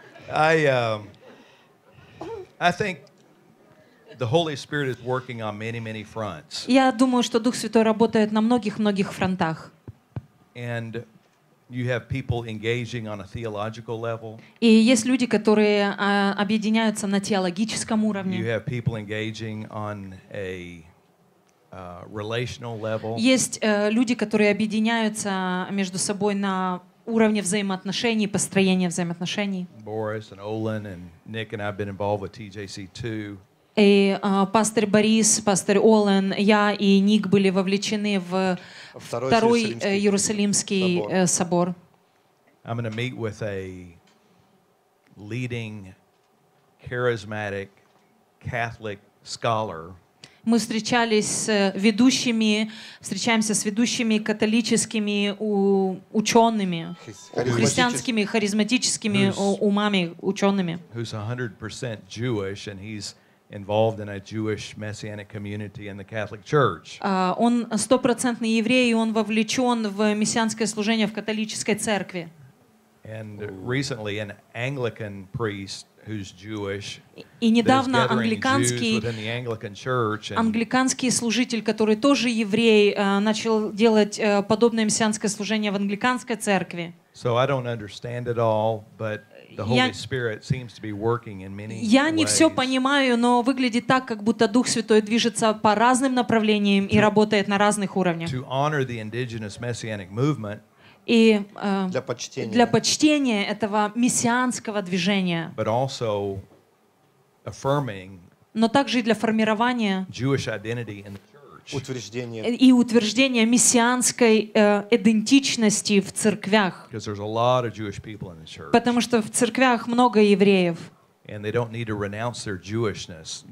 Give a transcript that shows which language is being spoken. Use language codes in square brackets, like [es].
[en] I think the Holy Spirit is working on many, many fronts. [ru] Я думаю, что Дух Святой работает на многих фронтах. [en] And you have people engaging on a theological level. [ru] И есть люди, которые объединяются на теологическом уровне. [en] You have people engaging on a relational level. [ru] Есть люди, которые объединяются между собой на уровне взаимоотношений, построения взаимоотношений. [en] Boris and Olin and Nick and I've been involved with TJC too. [ru] И пастор Борис, пастор Олен, я и Ник были вовлечены в второй Иерусалимский собор. [en] I'm going to meet with a leading charismatic Catholic scholar. [ru] Мы встречаемся с ведущими католическими учеными, христианскими, харизматическими умами, учеными. [en] Who's 100% Jewish and he's involved in a Jewish messianic community in the Catholic Church. [ru] Он 100% еврей, и он вовлечен в мессианское служение в католической церкви. [en] And recently an Anglican priest who's Jewish. [ru] И недавно англиканский [en] within the Anglican Church. [ru] Англиканский служитель, который тоже еврей, начал делать подобное мессианское служение в англиканской церкви. [en] So I don't understand it all, but the Holy Spirit seems to be working in many ways. [ru] Я не все понимаю, но выглядит так, как будто Дух Святой движется по разным направлениям и работает на разных уровнях. [en] To honor the indigenous messianic movement. [ru] И для почтения этого мессианского движения. [en] But also affirming. [ru] Но также и для формирования [en] Jewish identity in the church. [ru] Утверждение мессианской идентичности в церквях. [en] Because there's a lot of Jewish people in the church. [ru] Потому что в церквях много евреев. [en] And they don't need to renounce their Jewishness.